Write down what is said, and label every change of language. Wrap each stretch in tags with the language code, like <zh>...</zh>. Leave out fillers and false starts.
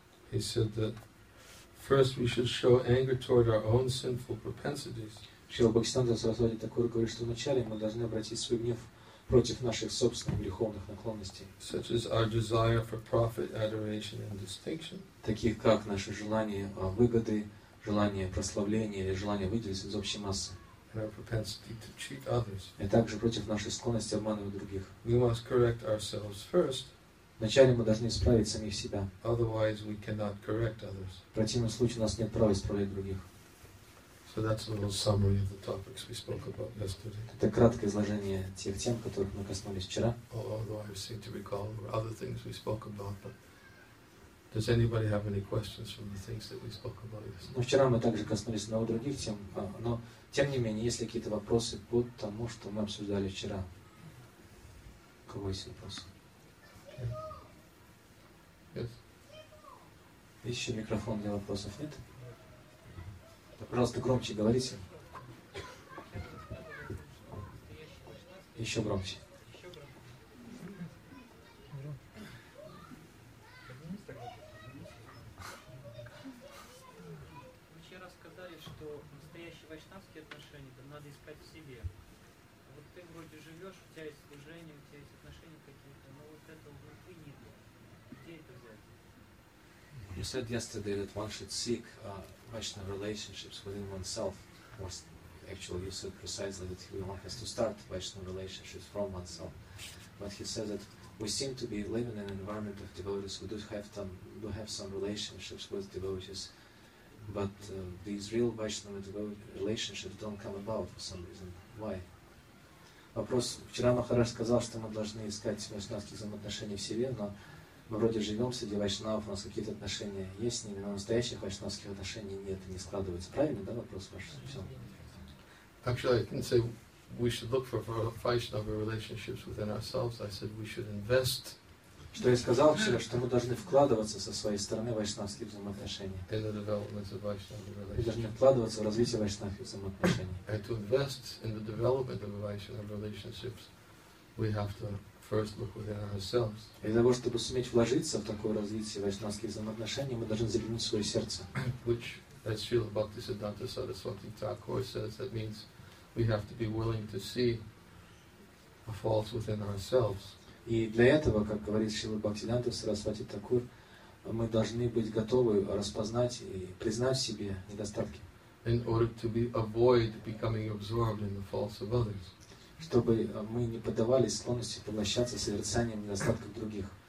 <en>He said that first we should show anger toward our own sinful propensities.</en> <ru>Шрила Бхактисиддханта Сарасвати Такур говорит, что вначале мы должны обратить свой гнев против наших собственных греховных наклонностей.</ru> <en>Such as our desire for profit, adoration, and distinction.</en> <ru>Таких как наше желание выгоды, желание прославления или желание выделиться из общей массы.</ru> <en>And our propensity to cheat others.</en> <ru>И также против нашей склонности обманывать других.</ru> <en>We must correct ourselves first.</en> <ru>Вначале мы должны исправить самих себя.</ru> <en>Otherwise we cannot correct others.</en> <ru>В противном случае у нас нет права исправлять других.</ru> <en>So that's a little summary of the topics we spoke about yesterday.</en> <ru>Это краткое изложение тех тем, которых мы коснулись вчера.</ru> <en>Although I seem to recall other things we spoke about, but does anybody have any questions from the things that we spoke about yesterday?</en> <ru>Но вчера мы также коснулись много других тем, но тем не менее, есть ли какие-то вопросы по тому, что мы обсуждали вчера? У кого есть вопросы?</ru> <en>Yes.</en> <ru>Есть еще микрофон для вопросов, нет? Да, пожалуйста, громче говорите. Еще громче. Вы вчера сказали, что настоящие вайшнавские отношения там надо искать в себе. Вот ты вроде живешь, у тебя есть служение, у тебя есть отношения какие-то, но вот этого внутри нет.</ru> <en>You said yesterday that one should seek Vaishnava relationships within oneself. Or actually, you said precisely that one has to start Vaishnava relationships from oneself. but he said that we seem to be living in an environment of devotees who do have some relationships with devotees, but these real Vaishnava devotee relationships don't come about for some reason. Why?</en> <ru>Вопрос. Вчера Махарадж сказал, что мы должны искать вайшнавские взаимоотношения в себе, но мы вроде живем среди вайшнавов, у нас какие-то отношения есть с ними, но настоящих вайшнавских отношений нет и не складывается. Правильно, да, вопрос ваш? Все.</ru> <en>Actually, I didn't say we should look for vaishnava relationships within ourselves. I said we should invest.</en> <ru>Что я сказал вчера, что мы должны вкладываться со своей стороны в вайшнавские взаимоотношения.</ru> <en>In the development of vaishnava relationships.</en> <ru>Мы должны вкладываться в развитие вайшнавских взаимоотношений.</ru> <en>And to invest in the development of vaishnava relationships, we have to first look within ourselves.</en> <ru>И для того, чтобы суметь вложиться в такое развитие вайшнавских взаимоотношений, мы должны заглянуть в свое сердце.</ru> <en>Which as Srila Bhaktisiddhanta Saraswati Thakur says, that means we have to be willing to see a fault within ourselves.</en> <ru>И для этого, как говорит Шрила Бхактисиддханта Сарасвати Такур, мы должны быть готовы распознать и признать в себе недостатки.</ru> <en>In order to avoid becoming absorbed in the faults of others.</en> <ru>Чтобы мы не поддавались склонности поглощаться созерцанием недостатков других.</ru>